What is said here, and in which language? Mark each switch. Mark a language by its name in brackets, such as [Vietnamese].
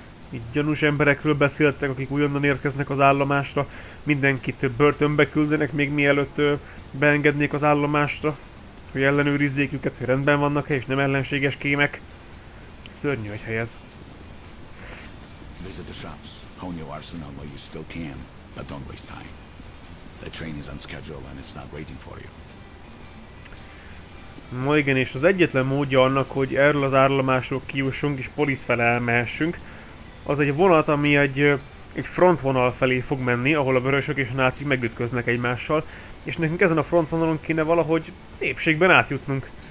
[Hungarian] Itt gyanús emberekről beszéltek, akik újonnan érkeznek az állomásra. Mindenkit börtönbe küldenek, még mielőtt beengednék az állomásra. Hogy ellenőrizzék őket, hogy rendben vannak-e, és nem ellenséges kémek. Szörnyű egy hely ez. [English] Visit the shops. Hone your arsenal while you still can, but don't waste time. The train is on schedule and it's not waiting for you. [Hungarian] Na igen, és az egyetlen módja annak, hogy erről az állomásról kijussunk és polisz felé elmehessünk, az egy vonat, ami egy frontvonal felé fog menni, ahol a vörösök és a nácik megütköznek egymással, és nekünk ezen a frontvonalon kéne valahogy épségben átjutnunk.